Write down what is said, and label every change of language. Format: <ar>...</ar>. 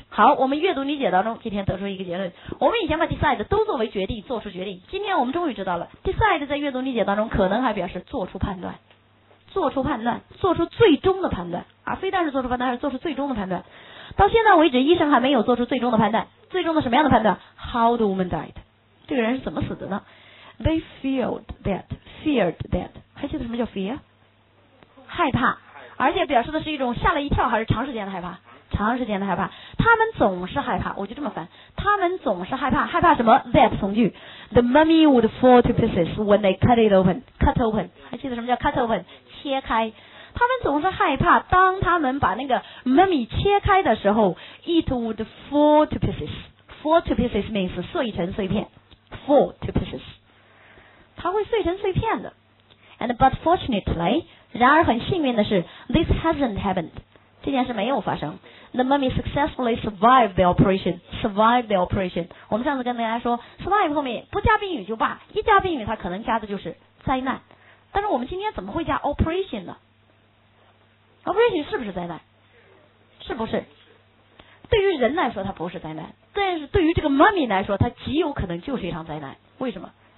<zh>好，我们阅读理解当中今天得出一个结论，我们以前把 decide 都作为决定，做出决定，今天我们终于知道了 decide 在阅读理解当中可能还表示做出判断，做出判断，做出最终的判断啊，非但是做出判断，还是做出最终的判断。到现在为止，医生还没有做出最终的判断，最终的什么样的判断？</zh> <en>How the woman died，</en> <zh>这个人是怎么死的呢？</zh> <en>They feared that，</en> <zh>还记得什么叫</zh> <en>fear？</en> <zh>害怕，而且表示的是一种吓了一跳，还是长时间的害怕？长时间的害怕，他们总是害怕，我就这么翻，他们总是害怕，害怕什么？</zh> <en>That 从句， The mummy would fall to pieces when they cut it open， cut open，</en> <zh>还记得什么叫</zh> <en>cut open？</en> <zh>切开，他们总是害怕，当他们把那个 mummy 切开的时候，</zh> <en>it would fall to pieces。 fall to pieces means</en> <zh>碎成碎片，</zh> <en>fall to pieces，</en> <zh>它会碎成碎片的。</zh> <en>and but fortunately，</en> <zh>然而很幸运的是，</zh> <en>this hasn't happened，</en> <zh>这件事没有发生。</zh> <en>the mummy successfully survived the operation， survived the operation。</en> <zh>我们上次跟大家说 survive 后面不加宾语就罢，一加宾语它可能加的就是灾难，但是我们今天怎么会加 operation 呢？operation 是不是灾难？是不是？对于人来说它不是灾难，但是对于这个 mummy 来说它极有可能就是一场灾难。为什么？</zh>